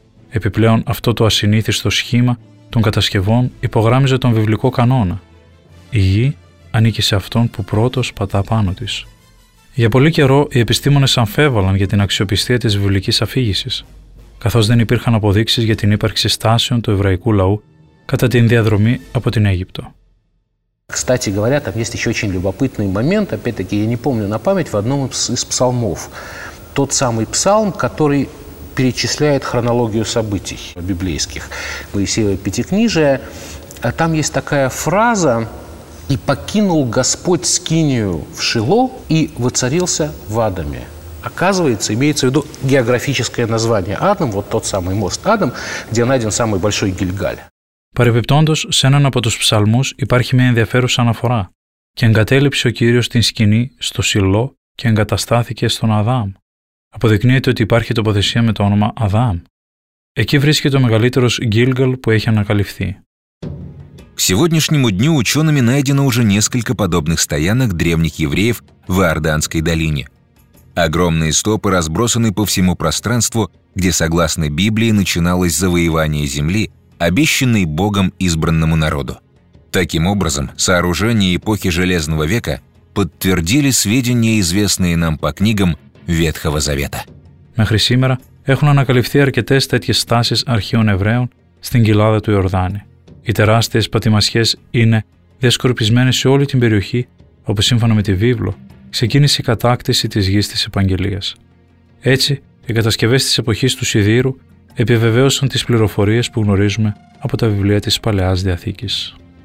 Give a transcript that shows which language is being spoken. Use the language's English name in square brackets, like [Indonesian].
[Greek] Επιπλέον, αυτό το ασυνήθιστο σχήμα των κατασκευών υπογράμμιζε τον βιβλικό κανόνα. Η γη ανήκει σε αυτόν που πρώτος πατά πάνω της. Για πολύ καιρό οι επιστήμονες αμφέβαλαν για την αξιοπιστία της βιβλικής αφήγησης, καθώς δεν υπήρχαν αποδείξεις για την ύπαρξη στάσεων του εβραϊκού λαού κατά την διαδρομή από την Αίγυπτο. [Russian] Кстати говоря, там есть еще очень любопытный момент. Опять-таки, я не помню на память, в одном из псалмов. Тот самый псалм, который перечисляет хронологию событий библейских. Моисеева Пятикнижия. А там есть такая фраза: «И покинул Господь Скинию в Шило и воцарился в Адаме». Оказывается, имеется в виду географическое название Адам, вот тот самый мост Адам, где найден самый большой Гильгаль. [Greek] Παρεπιπτόντως, σε έναν από τους ψαλμούς υπάρχει μια ενδιαφέρουσα αναφορά. «Και εγκατέλειψε ο Κύριος την σκηνή στο Σιλό και εγκαταστάθηκε στον Αδάμ». Αποδεικνύεται ότι υπάρχει τοποθεσία με το όνομα Αδάμ. Εκεί βρίσκεται ο μεγαλύτερος Γκίλγκαλ που έχει ανακαλυφθεί. [Russian] К сегодняшнему дню учеными найдено уже несколько подобных стоянок древних евреев в Иорданской долине. Огромные стопы разбросаны по всему пространству, где, согласно Библии, начиналось завоевание земли, обещанный Богом избранному народу. Таким образом, сооружения эпохи Железного века подтвердили сведения, известные нам по книгам Ветхого Завета. Мехри сімера [Greek] έχουν ανακαλυφθεί αρκετές τέτοιες στάσεις αρχαίων Εβραίων στην κοιλάδα του Ιορδάνη. Οι τεράστιες πατημασιές είναι διασκορπισμένες σε όλη την περιοχή όπου, σύμφωνα με τη Βίβλο, ξεκίνησε η κατάκτηση της γης της Επαγγελίας. Έτσι, οι κατασκευές της εποχής του Σιδήρου επιβεβαίωσαν τις πληροφορίες που γνωρίζουμε από τα βιβλία της Παλαιάς Διαθήκης.